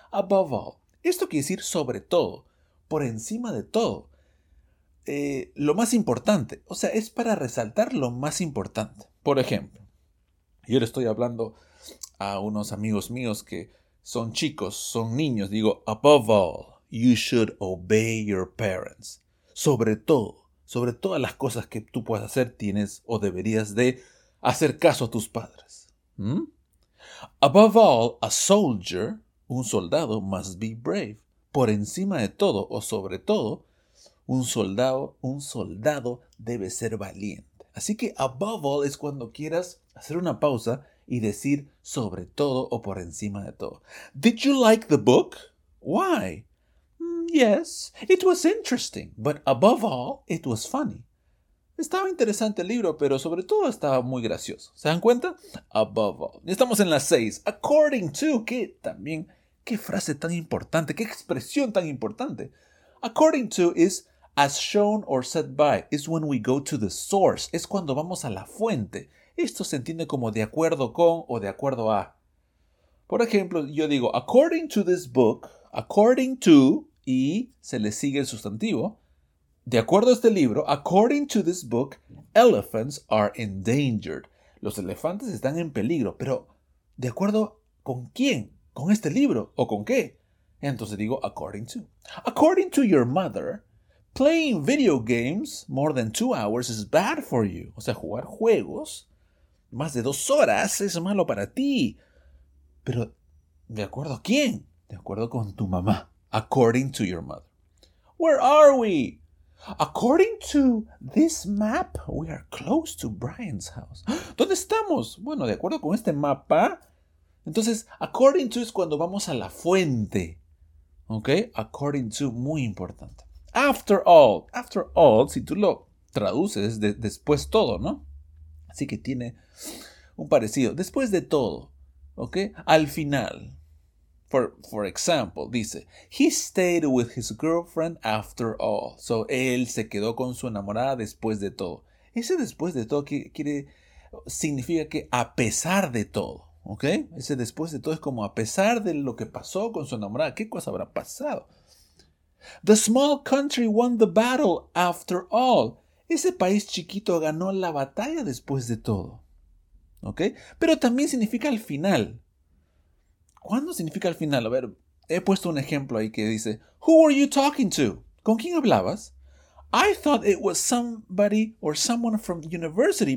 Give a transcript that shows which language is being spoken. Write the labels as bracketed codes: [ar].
[es] Above all. Esto quiere decir sobre todo. Por encima de todo. Lo más importante. O sea, es para resaltar lo más importante. Por ejemplo. Yo le estoy hablando a unos amigos míos que son chicos, son niños. Digo, [en] above all, you should obey your parents. [es] Sobre todas las cosas que tú puedas hacer, tienes o deberías de hacer caso a tus padres. ¿Mm? [en] Above all, a soldier, [es] un soldado, [en] must be brave. [es] Por encima de todo o sobre todo, un soldado debe ser valiente. Así que above all es cuando quieras hacer una pausa y decir sobre todo o por encima de todo. [en] Did you like the book? Why? Yes, it was interesting, but above all, it was funny. [es] Estaba interesante el libro, pero sobre todo estaba muy gracioso. ¿Se dan cuenta? Above all. Estamos en las 6. According to, que también, qué frase tan importante, qué expresión tan importante. [en] According to is as shown or said by. It's when we go to the source. [es] Es cuando vamos a la fuente. Esto se entiende como de acuerdo con o de acuerdo a. Por ejemplo, yo digo, [en] according to this book, [es] according to, y se le sigue el sustantivo. De acuerdo a este libro, [en] according to this book, elephants are endangered. [es] Los elefantes están en peligro, pero ¿de acuerdo con quién? ¿Con este libro? ¿O con qué? Entonces digo, according to. [en] According to your mother, playing video games more than 2 hours is bad for you. [es] O sea, jugar juegos más de 2 horas es malo para ti. Pero, ¿de acuerdo a quién? De acuerdo con tu mamá. [en] According to your mother. Where are we? According to this map, we are close to Brian's house. [es] ¿Dónde estamos? Bueno, de acuerdo con este mapa. Entonces, according to es cuando vamos a la fuente. ¿Ok? According to, muy importante. After all, si tú lo traduces, después todo, ¿no? Así que tiene un parecido. Después de todo, ¿ok? Al final. [en] For example, [es] dice, [en] he stayed with his girlfriend after all. [es] So, él se quedó con su enamorada después de todo. Ese después de todo significa que a pesar de todo, ¿ok? Ese después de todo es como a pesar de lo que pasó con su enamorada. ¿Qué cosa habrá pasado? [en] The small country won the battle after all. [es] Ese país chiquito ganó la batalla después de todo, ¿ok? Pero también significa al final. ¿Cuándo significa al final? A ver, he puesto un ejemplo ahí que dice, [en] who were you talking to? [es] ¿Con quién hablabas? [en] I thought it was somebody or someone from university.